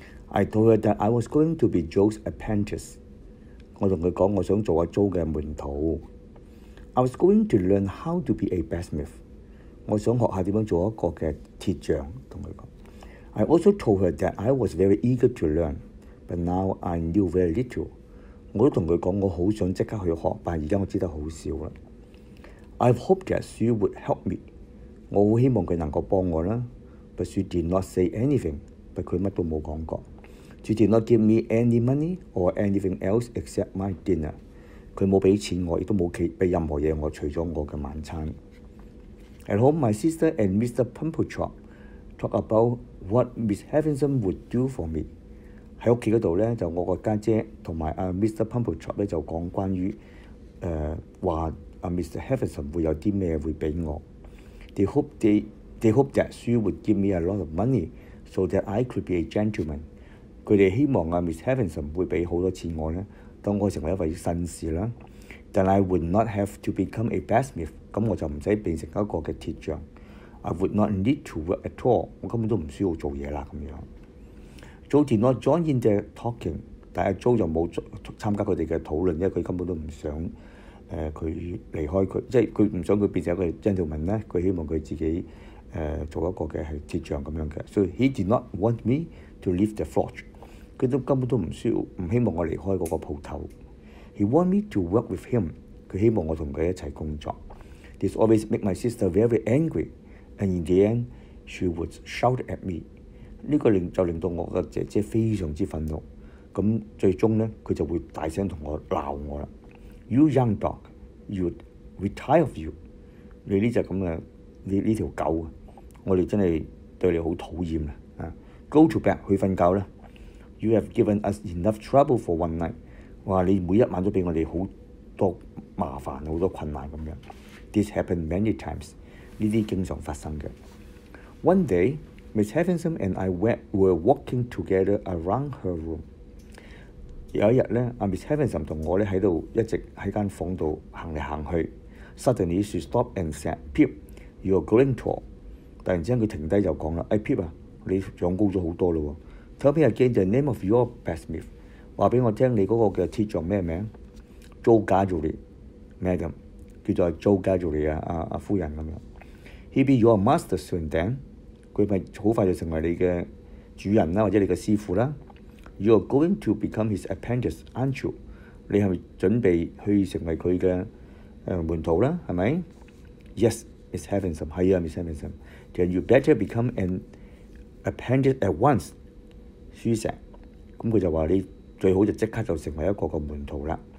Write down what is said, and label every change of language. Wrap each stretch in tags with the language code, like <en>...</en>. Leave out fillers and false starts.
<en>I told her that I was going to be Joe's apprentice.</en> <yue>我同佢講我想做阿 Joe 嘅門徒。</yue> <en>I was going to learn how to be a blacksmith.</en> <yue>我想學下點樣做一個嘅鐵匠，同佢講。</yue> <en>I also told her that I was very eager to learn, but now I knew very little.</en> <yue>我都同佢講我好想即刻去學，但係而家我知得好少啦。</yue> <en>I hoped that she would help me.</en> <yue>我好希望佢能夠幫我啦。</yue> <en>But she did not say anything.</en> <yue>但佢乜都冇講過。</yue> <en>She did not give me any money or anything else except my dinner.</en> <yue>佢冇俾錢我，亦都冇俾任何嘢我，除咗我嘅晚餐。</yue> <en>At home, my sister and Mr. Pumpkinchop talk about what Miss Heavensome would do for me.</en> <yue>喺屋企嗰度咧，就我個家姐同埋Mr. Pumpkinchop 咧就講關於話。Mr.</yue> <en>Heavensome</en> <yue>會有啲咩會俾我</yue> <en>？They hope that she would give me a lot of money so that I could be a gentleman.</en> <yue>佢哋希望啊 ，Miss Heavensome 會俾好多錢我咧，當我成為一位紳士啦。</yue> <en>Then I would not have to become a blacksmith.</en> <yue>咁我就唔使變成一個嘅鐵匠。</yue> <en>I would not need to work at all.</en> <yue>我根本都唔需要做嘢啦咁樣。</yue> <en>Joe did not join in the talking，</en> <yue>但係 Joe 就冇參加佢哋嘅討論，因為佢根本都唔想。佢離開佢，即係佢唔想佢變成一個 gentleman 咧。佢希望佢自己做一個嘅係鐵匠咁樣嘅。所以</yue> <en>he did not want me to leave the forge。</en> <yue>佢都根本都唔希望我離開嗰個鋪頭。</yue> <en>He want me to work with him。</en> <yue>佢希望我同佢一齊工作。</yue> <en>This always make my sister very angry。 And in the end, she would shout at me。</en> <yue>呢個令到我嘅姐姐非常之憤怒。咁最終咧，佢就會大聲同我鬧我啦。</yue> <en>You young dog, you retire of you.</en> <yue>你呢只咁嘅呢條狗啊，我哋真係對你好討厭啦。</yue> <en>Go to bed,</en> <yue>去瞓覺啦。</yue> <en>You have given us enough trouble for one night.</en> <yue>哇，你每一晚都俾我哋好多麻煩，好多困難咁樣。</yue> <en>This happened many times.</en> <yue>呢啲經常發生嘅。</yue> <en>One day, Miss Heavensome and I were walking together around her room.</en> <yue>有一日咧，阿 Miss Heavensome 同我咧喺度一直喺間房度行嚟行去。</yue> <en>Suddenly she stopped and said, "Pip, you are growing tall."</en> <yue>突然之間佢停低就講啦：，哎 ，Pip 啊，你長高咗好多咯喎。</yue> <en>Tell me again the name of your blacksmith.</en> <yue>話俾我聽，你嗰個嘅鐵匠咩名 ？</yue> <en>Joe Gadgery, madam，</en> <yue>叫做 Joe Gadgery 啊夫人咁樣。</yue> <en>He'll be your master soon, then.</en> <yue>佢咪好快就成為你嘅主人啦，或者你嘅師傅啦。</yue> <en>You are going to become his apprentice, aren't you?</en> <yue>你係咪準備去成為佢嘅門徒啦？係咪</yue> <en>？Yes, Miss Heavensome.</en> <yue>係啊</yue> <en>，Miss Heavensome. Then you better become an apprentice at once. She said.</en> <yue>咁佢就話你最好就即刻就成為一個嘅門徒啦。</yue>